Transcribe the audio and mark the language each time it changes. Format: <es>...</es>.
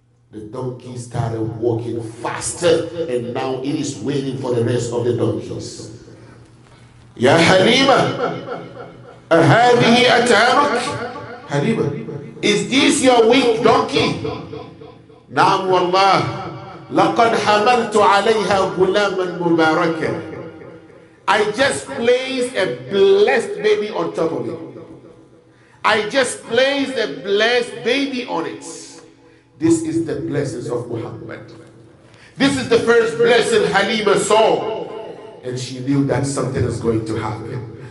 <en>The donkey started walking faster, and now it is waiting for the rest of the donkeys.</en> <ar>Ya Halima, ahadihi atanuk?</ar> <en>Halima, is this your weak donkey?</en> <ar>Naam wallah. لقد حملت عليها غلاما مباركا.</ar> <en>I just placed a blessed baby on top of it. I just placed a blessed baby on it. This is the blessings of Muhammad. This is the first blessing Halima saw. And she knew that something is going to happen.</en>